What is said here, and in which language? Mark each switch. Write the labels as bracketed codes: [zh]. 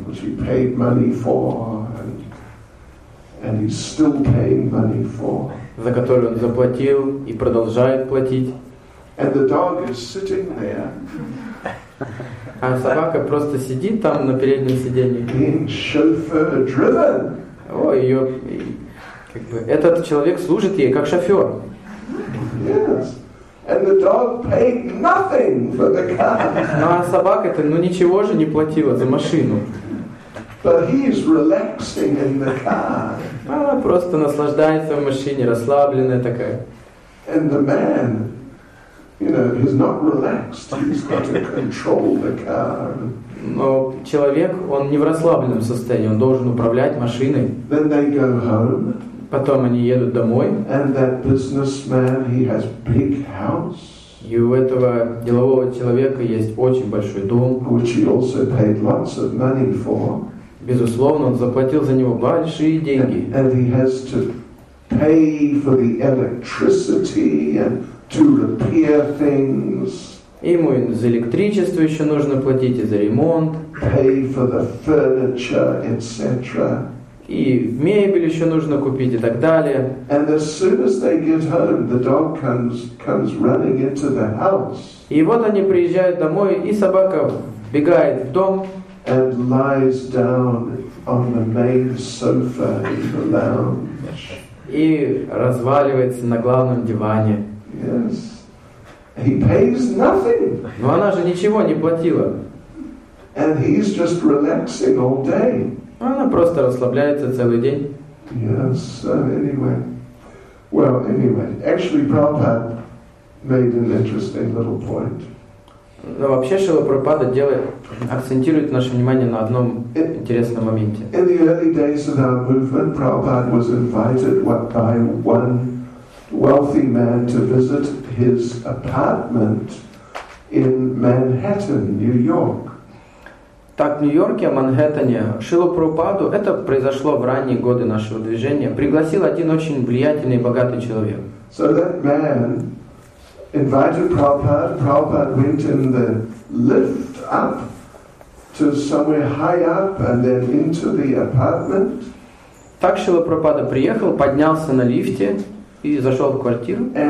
[en] Which he paid money for, and he's still paying money for. [ru] За которую он заплатил и продолжает платить. [en] And the dog is sitting there. [ru] А собака просто сидит там на переднем сиденье. [en] Being chauffeur-driven. [ru] О, ее, как бы, этот человек служит ей как шофер. [en] Yes. And the dog paid nothing for the car. [ru] Ну а собака-то, ну ничего же не платила за машину. [en] But he's relaxing in the car. [ru] Она просто наслаждается в машине, расслабленная такая. [en] And the man he's not relaxed. He's got to control the car. [ru] Но человек, он не в расслабленном состоянии, он должен управлять машиной. [en] Then they go home. [ru] Потом они едут домой. [en] And that businessman, he has big house. [ru] И у этого делового человека есть очень большой дом. [en] Which he also paid lots of money for. [ru] Безусловно, он заплатил за него большие деньги. [en] And he has to pay for the electricity and to repair things. [ru] Ему за электричество еще нужно платить и за ремонт. [en] Pay for the furniture, etc. [ru] И мебель еще нужно купить и так далее. [en] And as soon as they get home, the dog comes running into the house. [ru] И вот они приезжают домой, и собака бегает в дом. [en] And lies down on the main sofa in the lounge. [ru] И разваливается на главном диване. [en] Yes. He pays nothing. [ru] Но она же ничего не платила. [en] And he's just relaxing all day. [ru] Она просто расслабляется целый день. [en] Yes, so anyway. Well, anyway. Actually, Prabhupada made an interesting little point. [ru] Но вообще Шрила Прабхупада делает, акцентирует наше внимание на одном интересном моменте. [en] In the early days of our movement, Prabhupada was invited by one wealthy man to visit his apartment in Manhattan, New York. [ru] Так, в Нью-Йорке, в Манхэттене, Шрилу Прабхупаду, это произошло в ранние годы нашего движения, пригласил один очень влиятельный и богатый человек. [en] So that man invited Prabhupada. Prabhupada went in the lift up to somewhere high up and then into the apartment. [ru] Так Шрила Прабхупада приехал, поднялся на лифте и зашел в квартиру.